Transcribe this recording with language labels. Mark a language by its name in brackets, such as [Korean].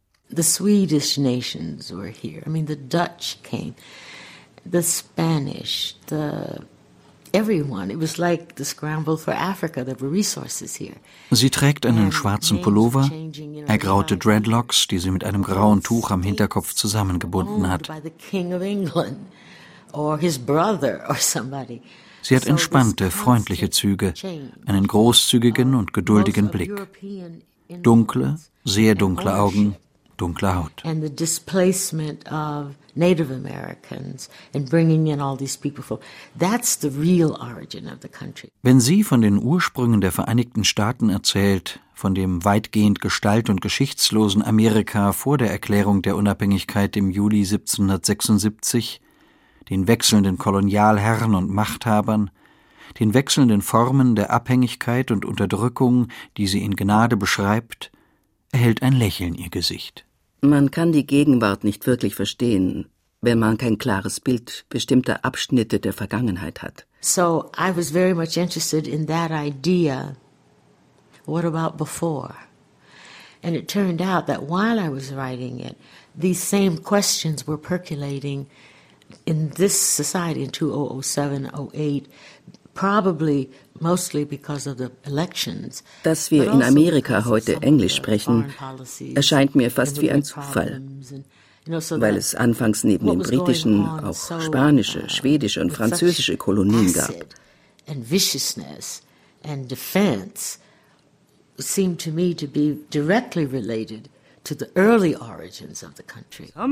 [English] The Swedish nations were here. I mean, the Dutch came. The Spanish, the everyone. It was like the scramble for Africa. There were resources here. [German] Sie trägt einen schwarzen Pullover, ergraute Dreadlocks, die sie mit einem grauen Tuch am Hinterkopf zusammengebunden hat. [English] By the King of England or his brother or somebody. [German] Sie hat entspannte, freundliche Züge, einen großzügigen und geduldigen Blick, dunkle, sehr dunkle Augen, dunkle Haut. [English] And the displacement of Native Americans and bringing in all these people from, that's the real origin of the country. [German] Wenn sie von den Ursprüngen der Vereinigten Staaten erzählt, von dem weitgehend gestalt- und geschichtslosen Amerika vor der Erklärung der Unabhängigkeit im Juli 1776, den wechselnden Kolonialherren und Machthabern, den wechselnden Formen der Abhängigkeit und Unterdrückung, die sie in Gnade beschreibt, erhält ein Lächeln ihr Gesicht. Man kann die Gegenwart nicht wirklich verstehen, wenn man kein klares Bild bestimmter Abschnitte der Vergangenheit hat. [English] So, I was very much interested in that idea. What about before? And it turned out that while I was writing it, these same questions were percolating in this society in 2007-08, probably mostly because of the elections. [German] Dass wir in Amerika heute Englisch sprechen, erscheint mir fast wie ein Zufall, weil es anfangs neben den britischen auch spanische, schwedische und französische Kolonien gab. [English] And viciousness and defense seemed to me to be directly related to the early origins of the country.